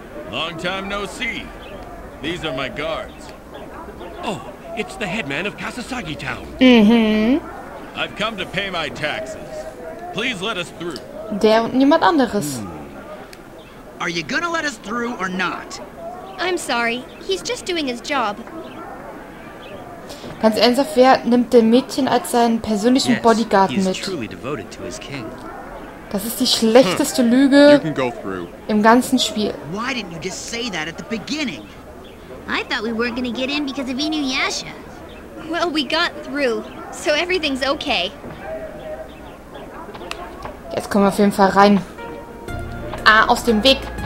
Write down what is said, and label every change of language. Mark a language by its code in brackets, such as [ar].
[en] Long time no see. These are my guards. Oh, it's the headman of Kasasagi Town. Mm-hmm. I've come to pay my taxes. Please let us through. [de] Der und niemand anderes. [en] Are you gonna let us through or not? I'm sorry. He's just doing his job. [de] Ganz ernsthaft, wer nimmt den Mädchen als seinen persönlichen [en] yes, [de] Bodyguard mit? [en] Truly devoted to his king. [de] Das ist die schlechteste Lüge im ganzen Spiel. [en] Why didn't you just say that at the beginning? I thought we weren't gonna get in because of Inuyasha. Well, we got through, so everything's okay. [de] Jetzt kommen wir auf jeden Fall rein. Ah, aus dem Weg.